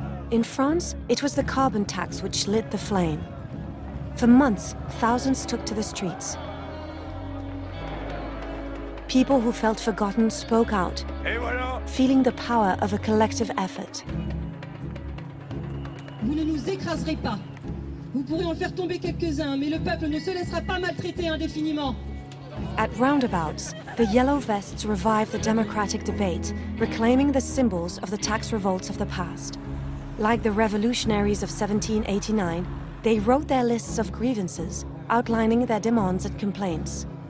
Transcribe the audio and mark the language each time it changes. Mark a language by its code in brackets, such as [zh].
[en] In France, it was the carbon tax which lit the flame. For months, thousands took to the streets. People who felt forgotten spoke out, feeling the power of a collective effort. [fr] Vous ne nous écraserez pas. Vous pourrez en faire tomber quelques-uns, mais le peuple ne se laissera pas maltraiter indéfiniment. [en] At roundabouts, the yellow vests revive the democratic debate, reclaiming the symbols of the tax revolts of the past. Like the revolutionaries of 1789, they wrote their lists of grievances, outlining their demands and complaints.